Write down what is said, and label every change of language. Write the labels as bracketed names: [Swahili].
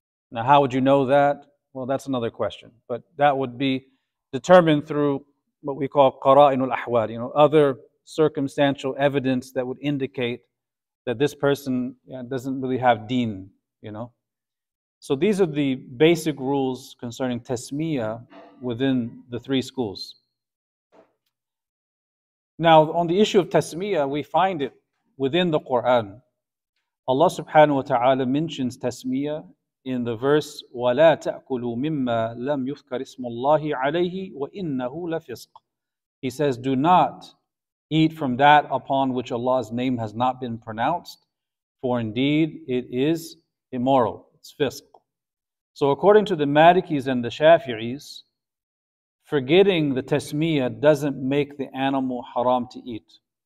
[English] Now, how would you know that? Well, that's another question. But that would be determined through what we call qara'inul ahwal, you know, other circumstantial evidence that would indicate that this person, you know, doesn't really have deen, you know. So these are the basic rules concerning tasmiyah within the three schools. Now, on the issue of tasmiyah, we find it within the Quran. Allah subhanahu wa ta'ala mentions tasmiyah in the verse, [Arabic] وَلَا تَأْكُلُوا مِمَّا لَمْ يُذْكَرِ اسْمُ اللَّهِ عَلَيْهِ وَإِنَّهُ لَفِسْقٌ. [English] He says, do not eat from that upon which Allah's name has not been pronounced, for indeed it is immoral, it's fisq. So according to the Malikis and the Shafi'is, forgetting the tasmiyah doesn't make the animal haram to eat.